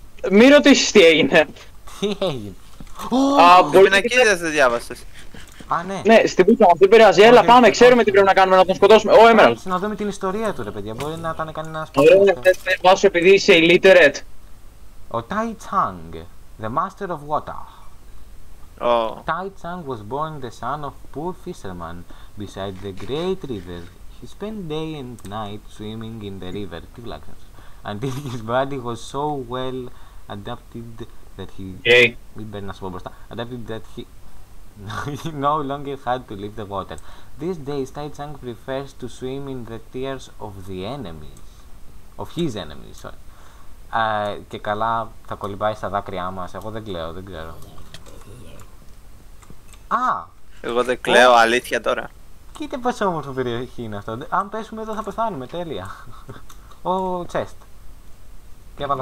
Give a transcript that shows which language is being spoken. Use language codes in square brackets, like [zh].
[el] Μη ρωτήσεις τι έγινε. Τι έγινε? Μπορεί να κοίταζες, δεν διάβασες. Α, ναι. Ναι, στην πούτσα μας, δεν πειράζει. Έλα, πάμε, ξέρουμε τι πρέπει να κάνουμε, να τον σκοτώσουμε. Ω, Emerald. Να δούμε την ιστορία του, ρε παιδιά. Μπορεί να ήταν κανένας... Ωραία, θες να πάω σου επειδή είσαι illiterate. [en] Ο Tai Chang, the master of water. Tai Chang was born the son of poor fisherman beside the great river. He spent day and night swimming in the river, until his body was so well adapted that he he no longer had to leave the water. These days, Tai Chang prefers to swim in the tears of the enemies, of his enemies. Sorry. [el] Και καλά, θα κολυμπάει στα δάκρυά μας. Εγώ δεν κλαίω, δεν ξέρω. Α! Εγώ δεν κλαίω, αλήθεια τώρα. Κοίτα πόσο όμορφο περιοχή είναι αυτό. Αν πέσουμε εδώ θα πεθάνουμε, τέλεια. Ο chest. Και έβαλα